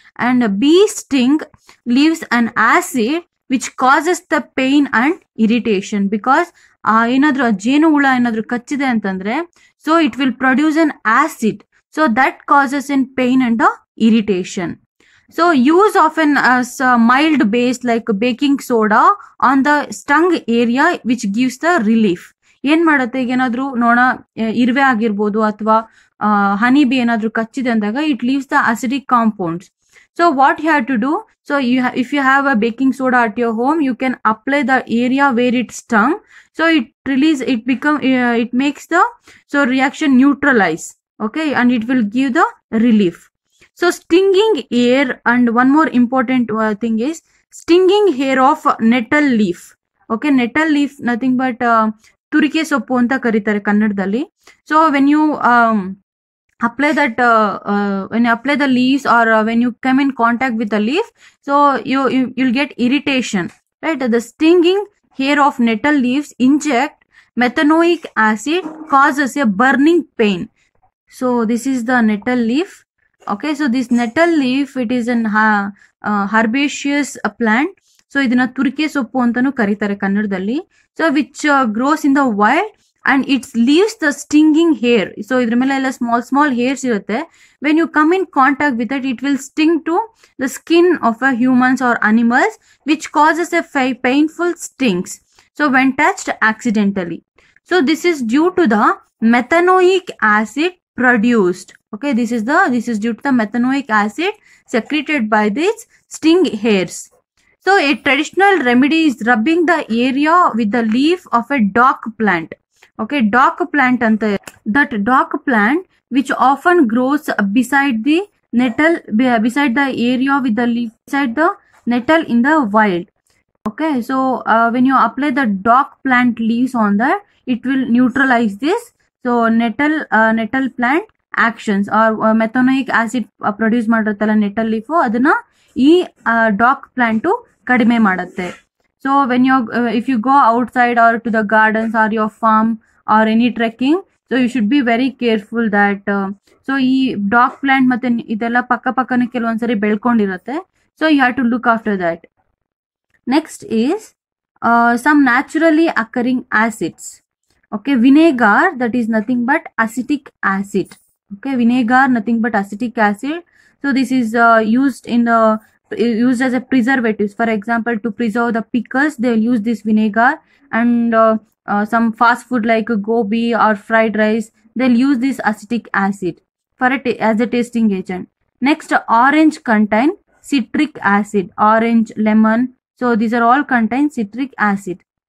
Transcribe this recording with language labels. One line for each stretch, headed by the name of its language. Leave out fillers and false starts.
English: And a bee sting leaves an acid which causes the pain and irritation, because
Kannada: enadru jeenu hula enadru kachide antandre,
English: so it will produce an acid, so that causes in pain and the irritation. So use often as a mild base like baking soda on the stung area, which gives the relief.
Kannada: ಏನ್ ಮಾಡತ್ತೆ, ಈಗ ಏನಾದ್ರೂ ನೋಣ ಇರುವೆ ಆಗಿರ್ಬೋದು ಅಥವಾ honey bee ಏನಾದ್ರೂ ಕಚ್ಚಿದೆ ಅಂದಾಗ,
English: It leaves the acidic compounds. So what you have to do, so you if you have a baking soda at your home, you can apply the area where it stung, so it release, it become, it makes the so reaction neutralise, okay, and it will give the relief. So stinging hair, and one more important thing is stinging hair of nettle leaf, okay. Nettle leaf nothing but
Kannada: ತುರಿಕೆ ಸೊಪ್ಪು ಅಂತ ಕರೀತಾರೆ ಕನ್ನಡದಲ್ಲಿ.
English: So when you apply that when you apply the leaves, or when you come in contact with the leaf, so you'll get irritation, right? The stinging hair of nettle leaves inject methanoic acid, causes a burning pain. So this is the nettle leaf, okay. So this nettle leaf, it is an herbaceous plant. So
Kannada: idina turke soppu antanu karitare kannadalli,
English: so which grows in the wild. And it leaves the stinging hair. So,
Kannada: idrumela
English: small hairs
Kannada: irutte.
English: When you come in contact with it, it will sting to the skin of a humans or animals, which causes a painful stings. So, when touched accidentally. So, this is due to the methanoic acid produced. Okay, this is due to the methanoic acid secreted by these sting hairs. So, a traditional remedy is rubbing the area with the leaf of a dock plant. Okay, dock plant ಅಂತ, that dock plant which often grows beside the nettle, beside the area with the leaf, beside the nettle in the wild. Okay, so when you apply the dock plant leaves on that, it will neutralise this.
Kannada: So natal plant actions, R ಮೆಥನೋಯಿಕ್ acid produce ಮಾಡಿರುತ್ತಲ್ಲ natal leaf, ಅದನ್ನ ಈ dock plant ಕಡಿಮೆ ಮಾಡುತ್ತೆ.
English: So when you if you go outside or to the gardens or your farm or any trekking, so you should be very careful that.
Kannada: So ಈ dock plant ಮತ್ತೆ ಇದೆಲ್ಲ ಪಕ್ಕಪಕ್ಕನೆ ಕೆಲವೊಂದ್ಸರಿ ಬೆಳ್ಕೊಂಡಿರುತ್ತೆ,
English: So you have to look after that. Next is some naturally occurring acids. Okay, vinegar, that is nothing but acetic acid. Okay, vinegar nothing but acetic acid. So this is used in used as a preservatives. For example, to preserve the pickles, they'll use this vinegar, and some fast food like gobi or fried rice, they'll use this acetic acid as a tasting agent. Next, orange contain citric acid. Orange, lemon, so these are all contain citric acid.